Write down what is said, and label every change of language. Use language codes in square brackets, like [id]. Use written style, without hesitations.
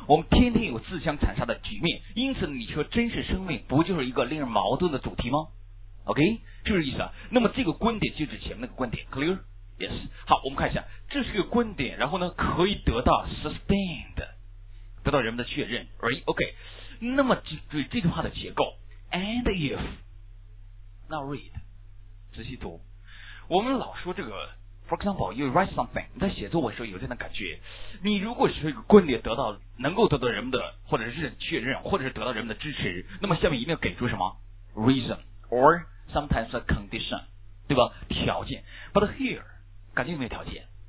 [zh] 我们天天有自相残杀的局面，因此你说真实生命不就是一个令人矛盾的主题吗 ？OK， 是不是意思啊？那么这个观点就是前面那个观点 ，clear? [en] Yes. [zh] 好，我们看一下，这是一个观点，然后呢可以得到 sustained， 得到人们的确认 ，right? [en] OK. [zh] 那么对这句话的结构 ，and if。 [en] Now read， [zh] 仔细读。我们老说这个 ， [en] for example， you write something， [zh] 你在写作文的时候有这样的感觉。你如果是一个观点得到能够得到人们的或者是确认，或者是得到人们的支持，那么下面一定要给出什么 [en] reason or sometimes a condition， [zh] 对吧？条件。 [en] But here， [zh] 感觉有没有调节？